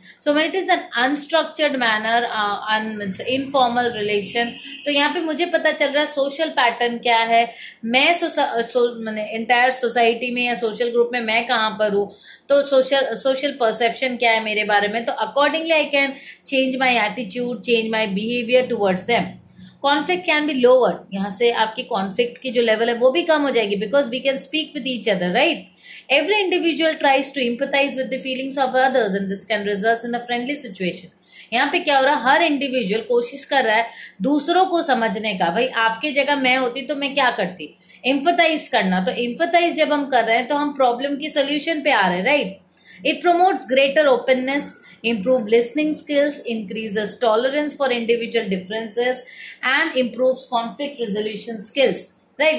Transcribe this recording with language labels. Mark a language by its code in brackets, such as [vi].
[en] so when it is an unstructured manner informal relation, [hi] तो यहाँ पे मुझे पता चल रहा है सोशल पैटर्न क्या है, मैं मैंने इंटायर सोसाइटी में या सोशल ग्रुप में मैं कहाँ पर हूँ, तो सोशल परसेप्शन क्या है मेरे बारे में, तो accordingly [en] I can change my attitude, change my behaviour towards them. Conflict can be lower, [hi] यहाँ से आपकी कॉन्फ्लिक्ट की जो लेवल है वो भी कम हो जाएगी, [en] because we can speak with each other, [hi] right. [en] Every individual tries to empathize with the feelings of others and this can result in a friendly situation. [hi] यहाँ पे क्या हो रहा है, हर इंडिविजुअल कोशिश कर रहा है दूसरों को समझने का, भाई आपके जगह मैं होती तो मैं क्या करती, एम्पथाइज करना. तो एम्पथाइज जब हम कर रहे हैं तो हम प्रॉब्लम की सोल्यूशन पे आ रहे हैं, right. [en] It promotes greater openness, improve listening skills, increases tolerance for individual differences and improves conflict resolution skills, right.